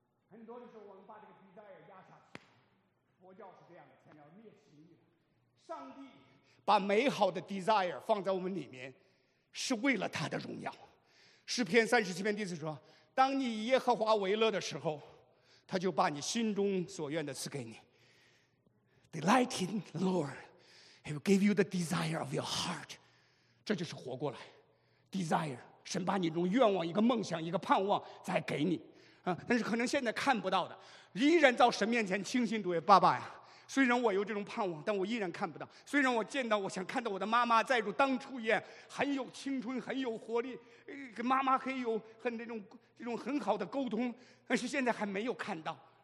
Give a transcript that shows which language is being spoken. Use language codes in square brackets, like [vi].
[zh] 很多的时候我们把这个 desire 压下去，佛教是这样的，才要灭情欲，上帝把美好的 desire 放在我们里面是为了他的荣耀。诗篇37篇第4说，当你以耶和华为乐的时候，他就把你心中所愿的赐给你。 [en] Delight in the Lord, He will give you the desire of your heart。 [zh] 这就是活过来 Desire， 神把你这种愿望一个梦想一个盼望再给你。但是可能现在看不到的，依然到神面前倾心吐意，爸爸呀，虽然我有这种盼望，但我依然看不到。虽然我见到，我想看到我的妈妈再如当初一样，很有青春，很有活力，跟妈妈可以有很那种这种很好的沟通，但是现在还没有看到。